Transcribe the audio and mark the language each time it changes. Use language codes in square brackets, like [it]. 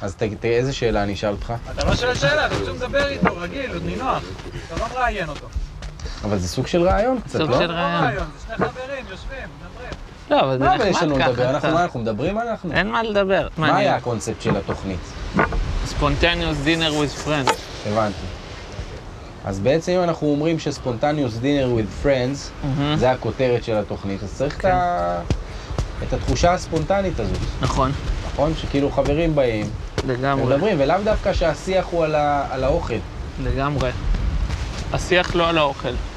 [he] אז תראה, איזה שאלה אני אשאל אותך? אתה לא שואל שאלה, אתה רוצה לדבר איתו, רגיל, עוד נינוח. אתה לא מראיין אותו. אבל זה סוג של רעיון קצת, לא? סוג של רעיון. לא רעיון, זה שני חברים, יושבים, מדברים. לא, אבל זה נחמד ככה. מה, אנחנו מדברים על אנחנו? אין מה לדבר. מה היה הקונספט של התוכנית? [en] Spontaneous dinner with friends. [he] הבנתי. אז בעצם אם אנחנו אומרים ש- [en] spontaneous dinner with friends, [he] זה הכותרת של התוכנית, אז צריך את התחושה הספונטנית הזאת. נכון. נכון? שכאילו חברים באים. לגמרי. ומדברים, ולאו דווקא שהשיח הוא על האוכל. לגמרי. השיח לא על האוכל.